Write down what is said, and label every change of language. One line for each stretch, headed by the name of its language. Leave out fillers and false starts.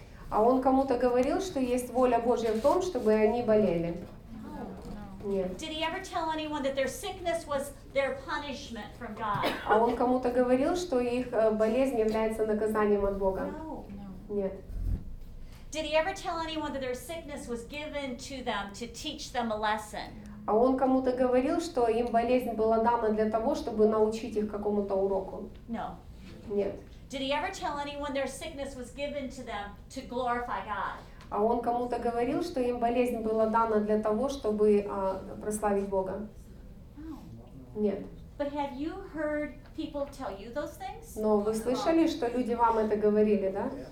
Russian: А он кому-то говорил, что есть воля Божья в том, чтобы они болели? Нет.
English: Did he ever tell anyone that their sickness was their punishment from God?
Russian: А он кому-то говорил, что их болезнь является наказанием от Бога?
English: No.
Russian: Нет.
English: Did he ever tell anyone that their sickness was given to them to teach them a lesson?
Russian: А он кому-то говорил, что им болезнь была дана для того, чтобы научить их какому-то уроку?
English: No.
Russian: Нет.
English: Did he ever tell anyone their sickness was given to them to glorify God?
Russian: А он кому-то говорил, что им болезнь была дана для того, чтобы прославить Бога? Нет.
English: But have you heard people tell you those things?
Russian: Но вы слышали, что люди вам это говорили, да?